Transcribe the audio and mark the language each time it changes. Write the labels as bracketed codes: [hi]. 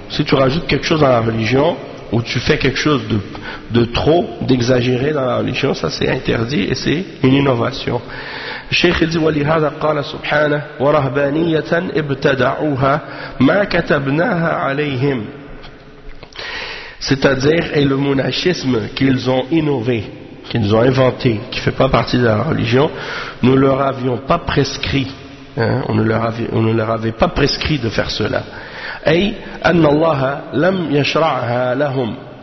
[fr] Si tu rajoutes quelque chose dans la religion ou tu fais quelque chose de trop, d'exagéré dans la religion, ça c'est interdit et c'est une innovation. [ar] الشيخ يقول ولهذا قال سبحانه ورهبانية ابتدعوها ما كتبناها عليهم. [fr] C'est-à-dire, et le monachisme qu'ils ont innové, qu'ils ont inventé, qui ne fait pas partie de la religion, nous ne leur avions pas prescrit. On ne leur avait pas prescrit de faire cela. [ar] أي أن الله لم يشرعها لهم.